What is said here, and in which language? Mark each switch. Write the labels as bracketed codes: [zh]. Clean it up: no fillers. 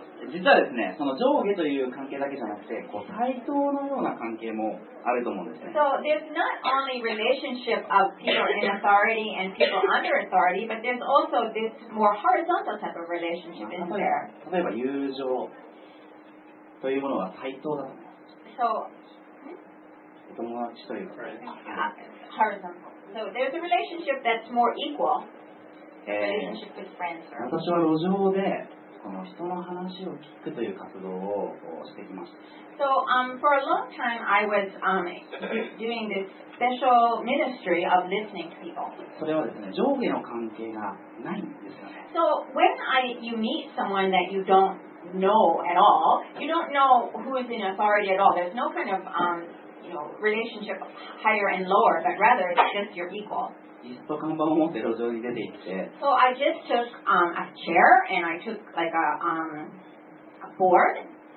[ja] 実はですね、その上下という関係だけじゃなくて、こう対等のような関係もあると思うんですね。 [en] So there's not only relationship of people in authority and people under authority, but there's also this more horizontal type of relationship in there. [ja] 例えば友情というものは対等だ。 [en] So [ja] 友達というか、 [en] right. horizontal. So there's a relationship that's more equal. Relationship with friends. [ja] 私は路上でこの人の話を聞くという活動をしてきました。 [en] So, for a long time, I was doing this special ministry of listening to people. [ja] それはですね、上下の関係がないんですよね。 [en] So, when you meet someone that you don't know at all, you don't know who is in authority at all. There's no kind of, relationship higher and lower, but rather it's just your equal. [ja] 椅子と看板を持って路上に出て行って [en] So I just took a chair and I took like a board